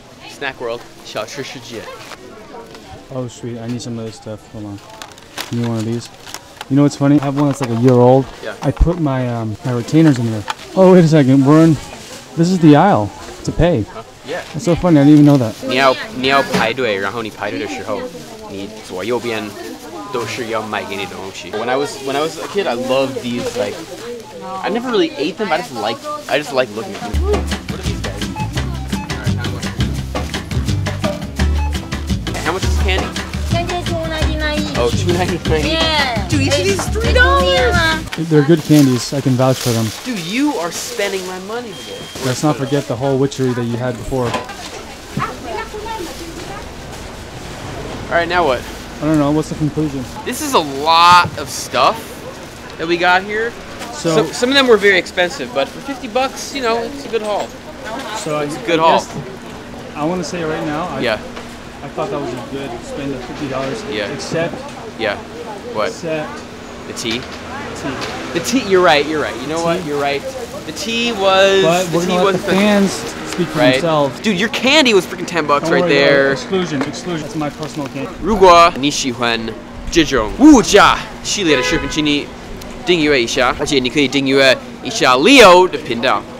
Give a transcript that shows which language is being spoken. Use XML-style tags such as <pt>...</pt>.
<en>Snack world.</en> <zh>小吃世界.</zh> <en>Oh, sweet. I need some of this stuff. Hold on. You need one of these? You know what's funny? I have one that's like a year old. Yeah. I put my, my retainers in there. Oh, wait a second. We're in... This is the aisle to pay. Huh? Yeah. That's so funny, I didn't even know that.</en> <zh>你要排队，然后你排队的时候，你左右边都是要买给你的东西。</zh> <en>When I was a kid, I loved these, like, I never really ate them, but I just liked looking at them. What are these guys? How much is candy? $2.99 each. Oh, $2.99 each? Yeah. Dude, each of these is $3. They're good candies, I can vouch for them. Dude, you are spending my money for it. Let's not forget the whole witchery that you had before. Alright, now what? I don't know, what's the conclusion? This is a lot of stuff that we got here. So some of them were very expensive, but for 50 bucks, you know, it's a good haul. So it's a good haul. I want to say right now, I thought that was a good spend of $50. Yeah. Except... Yeah. What? Except... The tea? The tea, you're right. You know what? You're right. The tea was. But we're gonna let the fans speak for themselves. Dude, your candy was freaking $10 right there. Exclusion. It's my personal candy.</en> <zh>如果你喜欢这种物价系列的视频，请你订阅一下，而且你可以订阅一下 Leo 的频道。</zh>